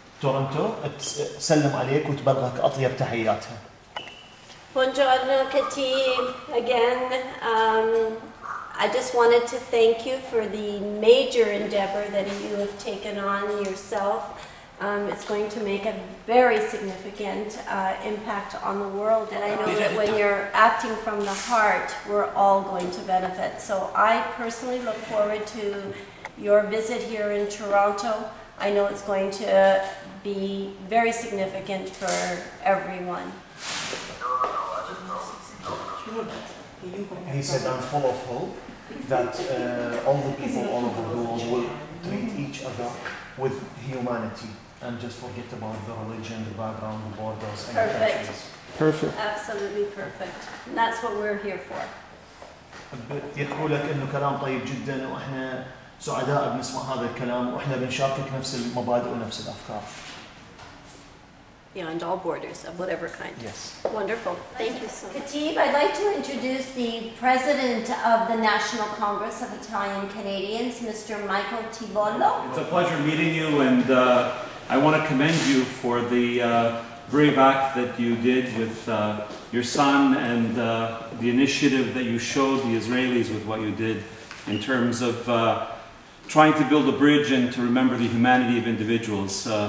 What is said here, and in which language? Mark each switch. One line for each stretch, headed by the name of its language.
Arabic: Toronto, سلم عليك وتبلغك أطيب تحياتها.
Italian: Buongiorno, Khatib.
English: Again, I just wanted to thank you for the major endeavor that you have taken on yourself. It's going to make a very significant impact on the world, and I know that when you're acting from the heart, we're all going to benefit. So I personally look forward to your visit here in Toronto. I know it's going to be very significant for everyone. He said, I'm full of hope that all the people all over the world will treat each other with humanity and just forget about the religion, the background, the borders, and perfect. The countries. Perfect. Absolutely perfect. And that's what we're here for.
Arabic: يقول لك إنه كلام طيب جدا وإحنا سعداء بنسمع هذا الكلام وإحنا بنشاركك نفس المبادئ ونفس الأفكار.
English: Beyond all borders of whatever kind. Yes. Wonderful. Thank you so much. Khatib, I'd like to introduce the President of the National Congress of Italian Canadians, Mr. Michael Tibollo. It's a pleasure meeting you, and I want to commend you for the brave act that you did with your son and the initiative that you showed the Israelis with what you did in terms of trying to build a bridge and to remember the humanity of individuals.